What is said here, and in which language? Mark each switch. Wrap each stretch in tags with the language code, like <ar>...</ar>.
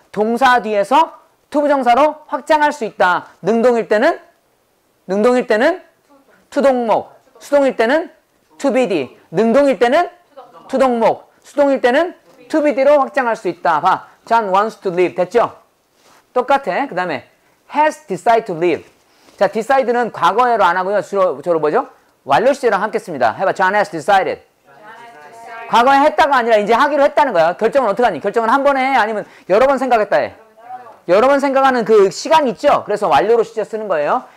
<ko>동사 뒤에서 투부정사로 확장할 수 있다. 능동일 때는? 투동목. 수동일 때는? 투비디. 능동일 때는? 투동목. 수동일 때는? 투비디로 확장할 수 있다. 봐.</ko> <en>John wants to leave.</en> <ko>됐죠? 똑같아. 그 다음에</ko> <en>has decided to leave.</en> <ko>자, decide는 과거형으로 안 하고요. 주로 뭐죠? 완료시제랑 함께 씁니다. 해봐.</ko> <en>John has decided.</en> <ko>과거에 했다가 아니라 이제 하기로 했다는 거야. 결정은 어떻게 하니? 결정은 한 번에 해? 아니면 여러 번 생각했다 해? 여러 번 생각하는 그 시간 있죠? 그래서 완료로 시제 쓰는 거예요.</ko>